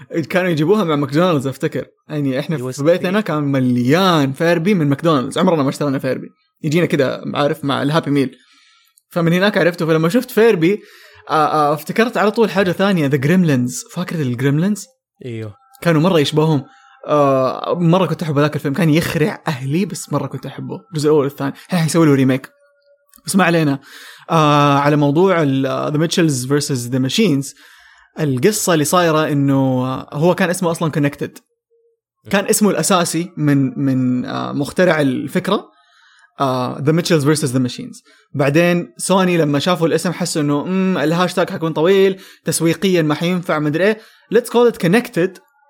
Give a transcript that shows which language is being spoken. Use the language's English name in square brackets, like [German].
[Arabic] كانوا يجيبوها مع ماكدونالدز افتكر, يعني احنا في بيتنا كان مليان فيربي من ماكدونالدز, عمرنا ما اشترينا فيربي, يجينا كذا عارف مع الهابي ميل, فمن هناك عرفته. فلما شفت فيربي افتكرت على طول حاجه ثانيه, ذا جريملينز, فاكر الجريملينز؟ ايوه كانوا مره يشبههم. مرة كنت أحبه ذاك الفيلم, كان يخرع أهلي بس مرة كنت أحبه. الجزء الأول والثاني هل حيسوي له ريميك؟ بس ما علينا. على موضوع The Mitchells vs. The Machines, القصة اللي صايرة إنه هو كان اسمه أصلاً Connected, كان اسمه الأساسي من مخترع الفكرة The Mitchells vs. [English] The Machines. [Arabic] بعدين سوني لما شافوا الاسم حسوا إنه الهاشتاج حيكون طويل تسويقياً ما حينفع مدري إيه, [English] Let's call it Connected.